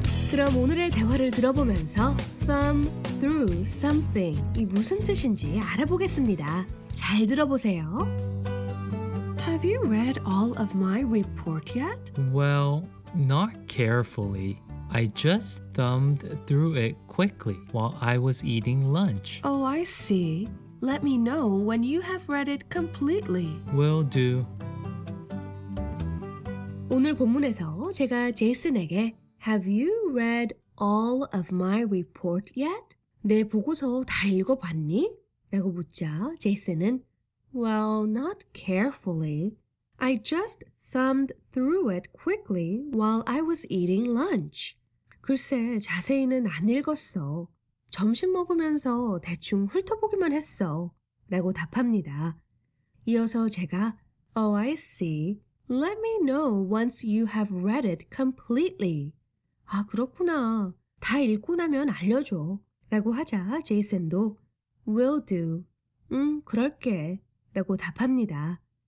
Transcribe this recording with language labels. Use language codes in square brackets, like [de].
[ko] 그럼 오늘의 대화를 들어보면서 [en] thumb through something. [ko] 이 무슨 뜻인지 알아보겠습니다. 잘 들어보세요. [en] Have you read all of my report yet? Well, not carefully. I just thumbed through it quickly while I was eating lunch. Oh, I see. Let me know when you have read it completely. Will do. [ko] 오늘 본문에서 제가 제이슨에게 [en] Have you read all of my report yet? [ko] 내 보고서 다 읽어봤니? 라고 묻자 제이슨은 [en] Well, not carefully. I just thumbed through it quickly while I was eating lunch. [ko] 글쎄, 자세히는 안 읽었어. 점심 먹으면서 대충 훑어보기만 했어. 라고 답합니다. 이어서 제가 [en] Oh, I see. Let me know once you have read it completely. [ko] 아, 그렇구나. 다 읽고 나면 알려줘. 라고 하자 제이슨도 [en] Will do. [ko] 응, 그럴게. 라고 답합니다.